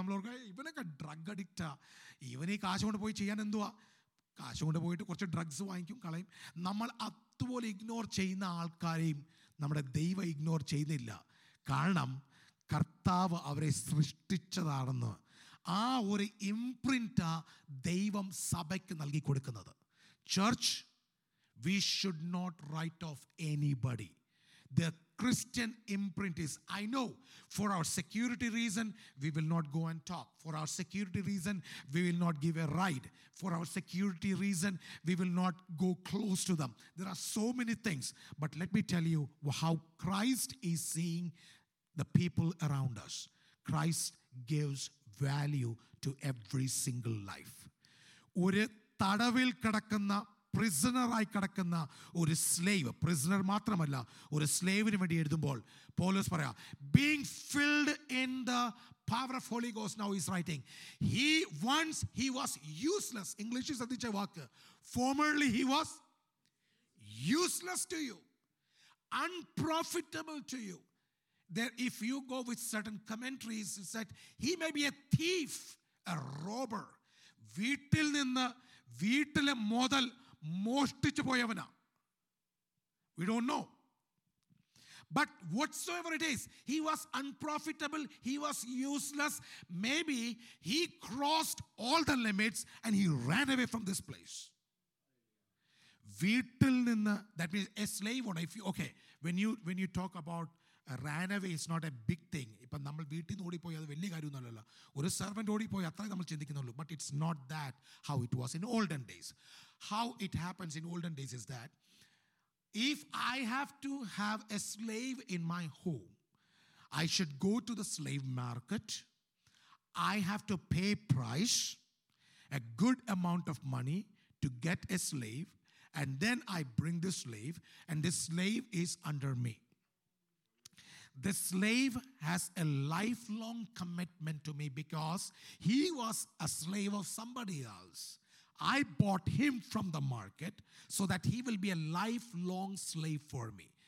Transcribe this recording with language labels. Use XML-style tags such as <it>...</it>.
<ml>നമ്മൾ ഇവനൊക്കെ ഡ്രഗ് അഡിക്റ്റാ, ഇവനീ കാശ് കൊണ്ട് പോയി ചെയ്യാൻ എന്തുവാ, കാശ് കൊണ്ട് പോയിട്ട് കുറച്ച് ഡ്രഗ്സ് വാങ്ങിക്കും കളയും. നമ്മൾ അതുപോലെ ഇഗ്നോർ ചെയ്യുന്ന ആൾക്കാരെയും നമ്മുടെ ദൈവം ഇഗ്നോർ ചെയ്യുന്നില്ല. കാരണം കർത്താവ് അവരെ സൃഷ്ടിച്ചതാണെന്ന് ആ ഒരു ഇംപ്രിൻ്റാ ദൈവം സഭയ്ക്ക് നൽകി കൊടുക്കുന്നത്.</ml> <en>Church, we should not write off anybody. The Christian imprint is, I know, for our security reason, we will not go and talk. For our security reason, we will not give a ride. For our security reason, we will not go close to them. There are so many things. But let me tell you how Christ is seeing the people around us. Christ gives value to every single life.</en> <ml>ഒരു തടവിൽ കിടക്കുന്ന പ്രിസണറായി കിടക്കുന്ന ഒരു slave, prisoner മാത്രമല്ല ഒരു സ്ലേവിന് വേണ്ടി എഴുതുമ്പോൾ പോലോസ് പറയാ,</ml> <en>Being filled in the power of holy ghost now is writing he once he was useless.</en> <ml>ഇംഗ്ലീഷിൽ ശ്രദ്ധിച്ച വാക്ക്,</ml> <en>Formerly he was useless to you, unprofitable to you. There, if you go with certain commentaries, it said he may be a thief, a robber.</en> <ml>Veetil ninna veetile modal moshtichu poyavana,</ml> <en>we don't know. But whatsoever it is, he was unprofitable, he was useless. Maybe he crossed all the limits and he ran away from this place.</en> <ml>Veetil ninna,</ml> <en>that means a slave owner. If you, okay, when you talk about ran away, it's not a big thing.</en> <ml>ഇപ്പൊ നമ്മൾ വീട്ടിൽ നിന്ന് ഓടിപ്പോയി അത് വലിയ കാര്യമൊന്നുമല്ലല്ലോ. ഒരു servant ഓടിപ്പോയി അത്ര നമ്മൾ ചിന്തിക്കുന്നുള്ളൂ.</ml> <en>But it's not that how it was in olden days. How it happens in olden days is that if I have to have a slave in my home, I should go to the slave market, I have to pay price a good amount of money to get a slave, and then I bring the slave and the slave is under me. The slave has a lifelong commitment to me because he was a slave of somebody else. I bought him from the market so that he will be a lifelong slave for me.</en>